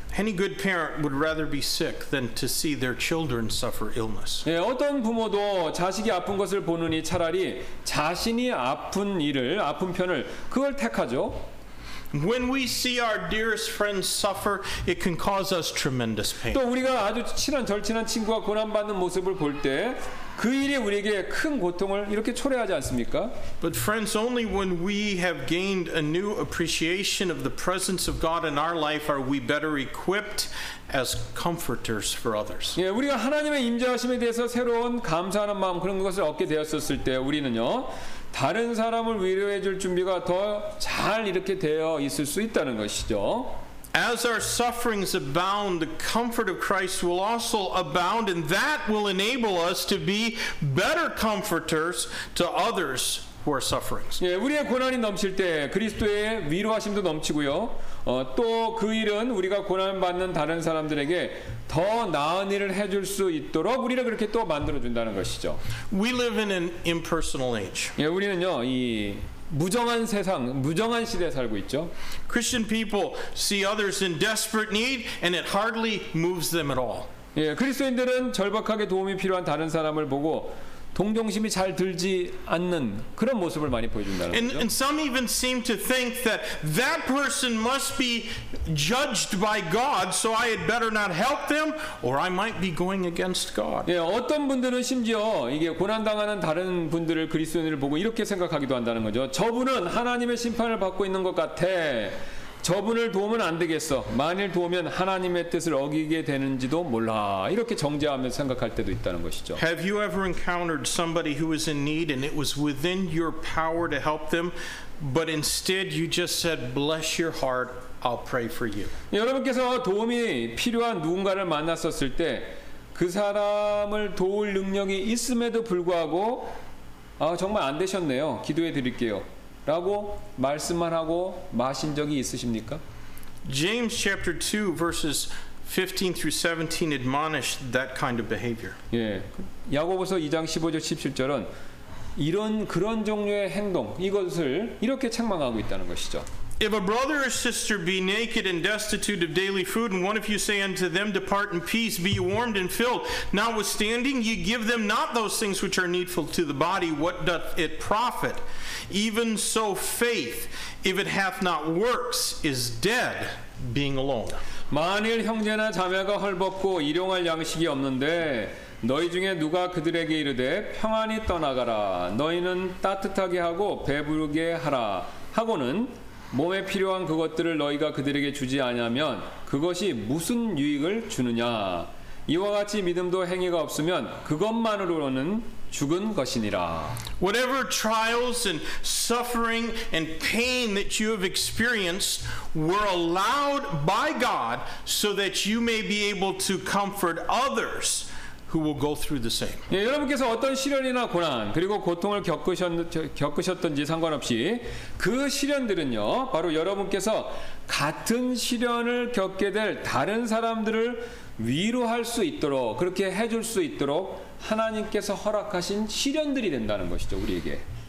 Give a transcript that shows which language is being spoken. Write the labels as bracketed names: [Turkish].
[English] Any good parent would rather be sick than to see their children suffer illness. [Korean] 예, 어떤 부모도 자식이 아픈 것을 보느니 차라리 자신이 아픈 일을 아픈 편을 그걸 택하죠. [English] When we see our dearest friends suffer, it can cause us tremendous pain. [Korean] 또 우리가 아주 친한 절친한 친구가 고난받는 모습을 볼 때 그 일이 우리에게 큰 고통을 이렇게 초래하지 않습니까? [English] But friends, only when we have gained a new appreciation of the presence of God in our life are we better equipped as comforters for others. [Korean] 예, 우리가 하나님의 임재하심에 대해서 새로운 감사하는 마음 그런 것을 얻게 되었었을 때 우리는요 다른 사람을 위로해 줄 준비가 더 잘 이렇게 되어 있을 수 있다는 것이죠. [English] As our sufferings abound, the comfort of Christ will also abound, and that will enable us to be better comforters to others who are suffering. [Korean] 예, 우리의 고난이 넘칠 때 그리스도의 위로하심도 넘치고요. 또 그 일은 우리가 고난받는 다른 사람들에게 더 나은 일을 해줄 수 있도록 우리를 그렇게 또 만들어준다는 것이죠. [English] We live in an impersonal age. [Korean] 예, 우리는요, 이 무정한 세상, 무정한 시대에 살고 있죠. [English] Christian people see others in desperate need and it hardly moves them at all. [Korean] 예, 그리스도인들은 절박하게 도움이 필요한 다른 사람을 보고 동정심이 잘 들지 않는 그런 모습을 많이 보여준다는 거죠. [English] And some even seem to think that that person must be judged by God, so I had better not help them, or I might be going against God. [Korean] 예, 어떤 분들은 심지어 이게 고난 당하는 다른 분들을 그리스도인을 보고 이렇게 생각하기도 한다는 거죠. 저분은 하나님의 심판을 받고 있는 것 같아. 저분을 도우면 안 되겠어. 만일 도우면 하나님의 뜻을 어기게 되는지도 몰라. 이렇게 정죄하면서 생각할 때도 있다는 것이죠. [English] Have you ever encountered somebody who was in need and it was within your power to help them, but instead you just said, "Bless your heart, I'll pray for you." [Korean] 여러분께서 도움이 필요한 누군가를 만났었을 때 그 사람을 도울 능력이 있음에도 불구하고 아, 정말 안 되셨네요. 기도해 드릴게요. 라고 말씀만 하고 마신 적이 있으십니까? [English] James chapter 2 verses 15 through 17 admonish that kind of behavior. [Korean] 예. 야고보서 2장 15절 17절은 이런 그런 종류의 행동 이것을 이렇게 책망하고 있다는 것이죠. [English] If a brother or sister be naked and destitute of daily food, and one of you say unto them, Depart in peace, be you warmed and filled, notwithstanding ye give them not those things which are needful to the body, what doth it profit? Even so faith, if it hath not works, is dead, being alone. [Korean] 만일 형제나 자매가 헐벗고 일용할 양식이 없는데 너희 중에 누가 그들에게 이르되 평안히 떠나가라 너희는 따뜻하게 하고 배부르게 하라 하고는 몸에 필요한 그것들을 너희가 그들에게 주지 아니하면 그것이 무슨 유익을 주느냐 이와 같이 믿음도 행위가 없으면 그것만으로는 죽은 것이니라. [English] Whatever trials and suffering and pain that you have experienced were allowed by God so that you may be able to comfort others who will go through the same. [Korean] 예, 여러분께서 어떤 시련이나 고난 그리고 고통을 겪으셨던지 상관없이 그 시련들은요, 바로 여러분께서 같은 시련을 겪게 될 다른 사람들을 위로할 수 있도록 그렇게 해줄 수 있도록 하나님께서 허락하신 시련들이 된다는 것이죠, 우리에게.